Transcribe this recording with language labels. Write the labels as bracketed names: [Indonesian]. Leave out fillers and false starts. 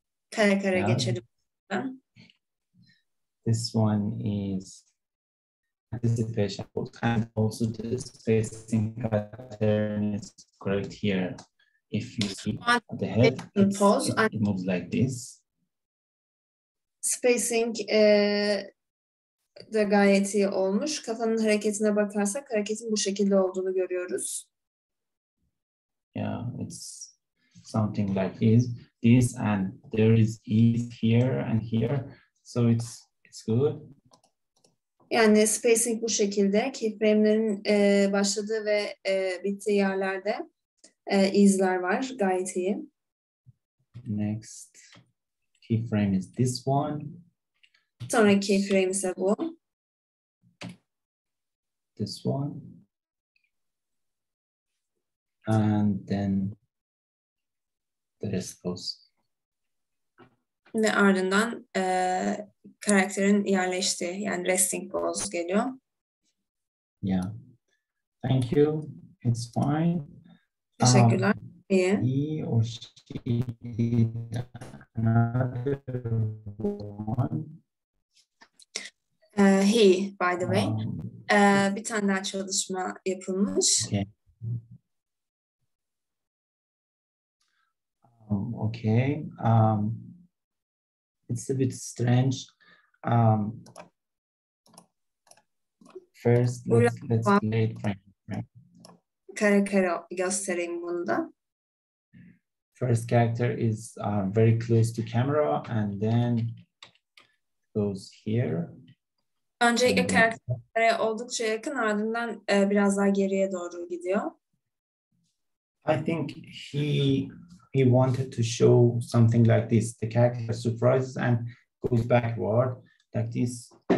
[Turkish] Kare geçelim. [English] This one is anticipation pose, and also the spacing pattern is correct here. If you see the head, pose, it moves like this. [Turkish] Spacing de gayet iyi olmuş. Kafanın hareketine bakarsak hareketin bu şekilde olduğunu görüyoruz. [English] Yeah, it's something like this, and there is ease here and here, so it's good. [Turkish] Yani spacing bu şekilde, keyframe'lerin başladığı ve bittiği yerlerde ease'ler var, gayet iyi. [English] next keyframe is this one. [Turkish] Sonraki keyframe ise bu. [English] This one. And then the rest goes. [Turkish] Ve ardından karakterin yerleştiği, yani resting pose geliyor. [English] Yeah. Thank you. It's fine. [Turkish] Teşekkürler. [English] He or she did another one. He, by the way. [Turkish] Bir tane daha çalışma yapılmış. [English] Okay. It's a bit strange. First, let's play it right. [Turkish] Kare kare göstereyim bunu da. [English] First character is very close to camera and then goes here. [Turkish] Öncelikle karaktere oldukça yakın, ardından biraz daha geriye doğru gidiyor. [English] I think he wanted to show something like this. The character surprises and goes backward like this.